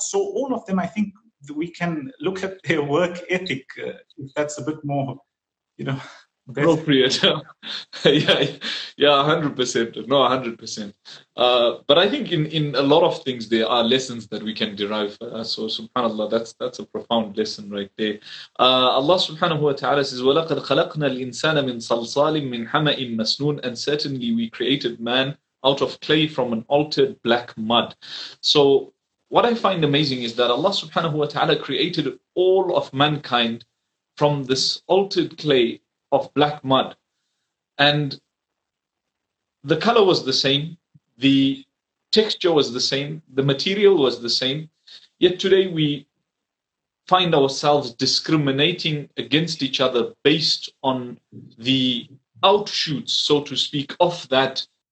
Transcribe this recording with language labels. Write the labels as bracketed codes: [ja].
[en] So all of them, I think we can look at their work ethic, if that's a bit more, you know, appropriate. Yeah, 100%. No, 100%. But I think in a lot of things, there are lessons that we can derive. So subhanAllah, that's a profound lesson right there. Allah subhanahu wa ta'ala says, [ar] وَلَقَدْ خَلَقْنَا الْإِنسَانَ مِنْ صَلْصَالٍ مِنْ حَمَئٍ مَسْنُونَ. [en] And certainly we created man out of clay from an altered black mud. So what I find amazing is that Allah subhanahu wa ta'ala created all of mankind from this altered clay of black mud, and the color was the same, the texture was the same, the material was the same, yet today we find ourselves discriminating against each other based on the outshoots, so to speak, of that.